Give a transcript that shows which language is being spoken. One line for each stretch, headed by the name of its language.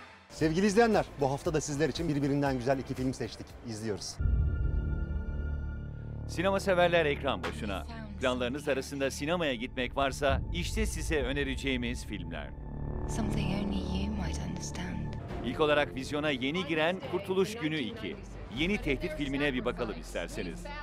Turkish: Sevgili izleyenler, bu hafta da sizler için birbirinden güzel iki film seçtik. İzliyoruz. Sinema severler ekran başına. Planlarınız arasında sinemaya gitmek varsa işte size önereceğimiz filmler.
English: Something only you might understand.
Turkish: İlk olarak vizyona yeni giren Kurtuluş Günü 2. Yeni tehdit filmine bir bakalım isterseniz.